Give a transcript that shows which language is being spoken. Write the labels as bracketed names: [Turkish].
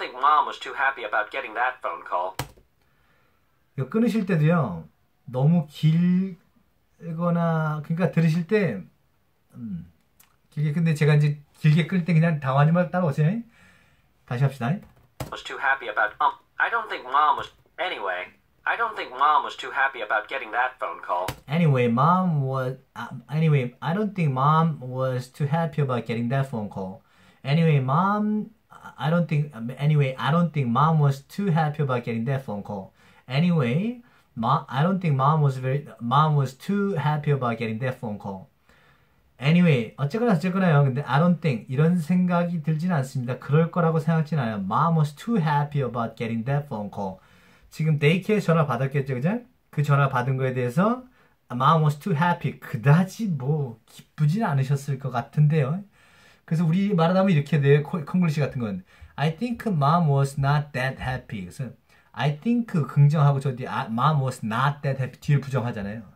[English] think Mom was too happy about getting that phone call. [Korean] 이거 끊으실 때도요. 너무 길거나 그러니까 들으실 때 길게 근데 제가 이제 길게 끌 때 그냥 당황한 말 따로 오세요. 다시 합시다. [English] Was too happy about. I don't think Mom was. Anyway, I don't think Mom was too happy about getting that phone call. Anyway, Mom was. Anyway, I don't think Mom was too happy about getting that phone call. Anyway, Mom. I don't think. Anyway, I don't think Mom was too happy about getting that phone call. Anyway, I don't think Mom was very. Mom was too happy about getting that phone call. [Korean] Anyway, 어쨌거나 어쨌거나요. 근데 [English] I don't think [Korean] 이런 생각이 들진 않습니다. 그럴 거라고 생각진 않아요. [English] Mom was too happy about getting that phone call. [Korean] 지금 데이케어 전화 받았겠죠, 그죠? 그 전화 받은 거에 대해서 [English] Mom was too happy. [Korean] 그다지 뭐 기쁘진 않으셨을 것 같은데요. 그래서 우리 말하자면 이렇게 돼요. 콩글리시 같은 건 [English] I think Mom was not that happy. [Korean] 그래서 [English] I think [Korean] 긍정하고 저 뒤에 [English] Mom was not that happy [Korean] 뒤에 부정하잖아요.